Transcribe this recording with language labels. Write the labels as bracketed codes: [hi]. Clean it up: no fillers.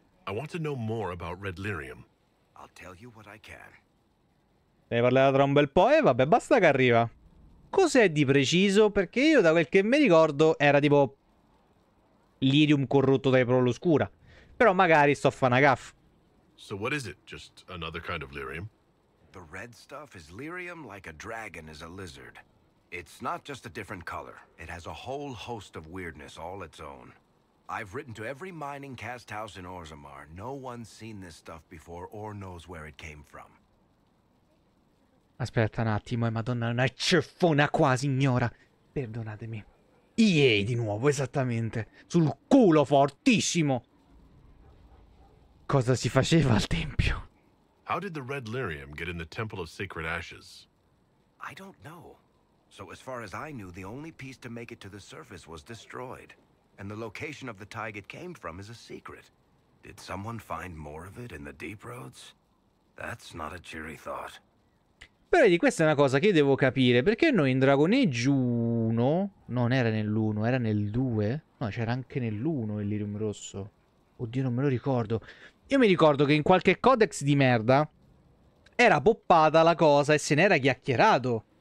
[en] I want to know more about Red Lirium. I'll tell you what I can. [it] Ne parlerà tra un bel po' e vabbè, basta che arriva. Cos'è di preciso? Perché io, da quel che mi ricordo, era tipo lirium corrotto dai Prolloscura. Però magari sto a fare una gaffe. [en] So what is it? Just another kind of lirium? The red stuff is lirium like a dragon is a lizard. It's not just a different color. It has a whole host of weirdness all its own. I've written to every mining cast house in Orzammar. No one's seen this stuff before or knows where it came from. [it] Aspetta un attimo, madonna, una ceffona qua, signora. Perdonatemi. Yay, di nuovo, esattamente. Sul culo, fortissimo! Cosa si faceva al tempio? [en] How did the Red Lirium get in the Temple of Sacred Ashes? I don't know. So as far as I knew, the only piece to make it to the surface was destroyed. And the location of the tag it came from is a secret. Did someone find more of it in the deep roads? That's not a cheery thought. [it] Però vedi, questa è una cosa che devo capire. Perché noi in Dragon Age 1... Non era nell'1, era nel 2? No, c'era anche nell'1 il Lirium Rosso. Oddio, non me lo ricordo. Io mi ricordo che in qualche codex di merda era poppata la cosa e se n'era chiacchierato.